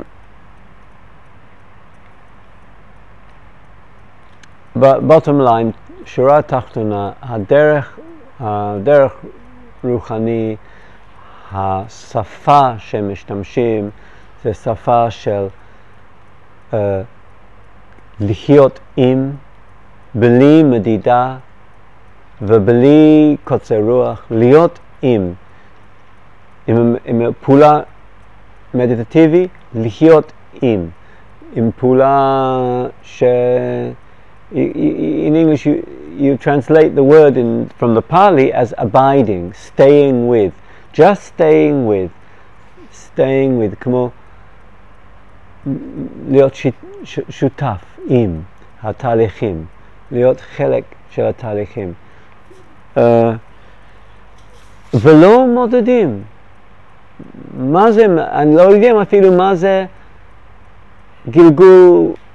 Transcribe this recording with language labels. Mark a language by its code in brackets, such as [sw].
[en] So, bottom line, [he] שורה התחתונה, הדרך רוחני, השפה שמשתמשים, זה שפה של לחיות עם, בלי מדידה ובלי קוצר רוח, להיות עם. עם פעולה מדיטטיבי, לחיות עם. עם פעולה ש... [en] In English, you translate the word from the Pali as abiding, staying with, just staying with, staying with. [he] כמו להיות שותף עם התהליכים, להיות חלק של התהליכים. ולא מודדים. מה זה? אני לא יודע אפילו מה זה גלגול.